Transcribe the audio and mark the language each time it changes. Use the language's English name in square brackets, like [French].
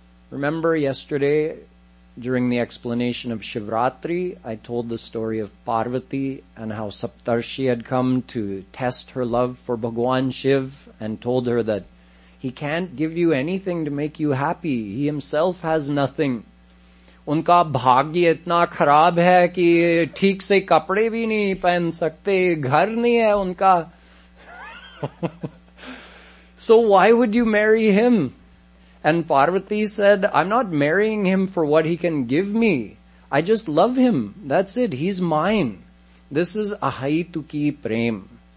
[English] Remember yesterday, during the explanation of Shivratri, I told the story of Parvati and how Saptarshi had come to test her love for Bhagwan Shiv and told her that he can't give you anything to make you happy. He himself has nothing. [Hindi] उनका भाग्य इतना खराब है कि ठीक से कपड़े भी नहीं पहन सकते, घर नहीं है उनका. [English] So why would you marry him? And Parvati said, I'm not marrying him for what he can give me. I just love him. That's it. He's mine. This is ahaituki prem.